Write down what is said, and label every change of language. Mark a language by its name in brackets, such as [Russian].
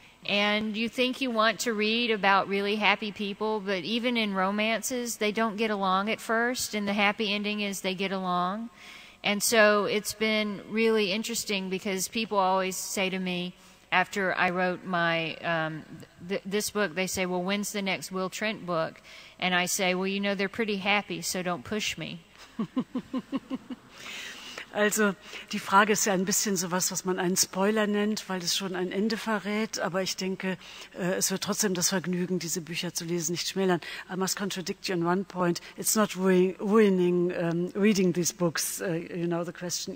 [English] And you think you want to read about really happy people, but even in romances, they don't get along at first, and the happy ending is they get along. And so it's been really interesting because people always say to me, after I wrote my this book, they say, "Well, when's the next Will Trent book?" And I say, "Well, you know, they're pretty happy, so don't push me." [German] Also, die Frage ist ja ein bisschen sowas, was man einen Spoiler nennt, weil es schon ein Ende verrät. Aber ich denke, es wird trotzdem das Vergnügen, diese Bücher zu lesen, nicht schmälern. [English] I must contradict you on one point. It's not ruining reading these books, you know, the question.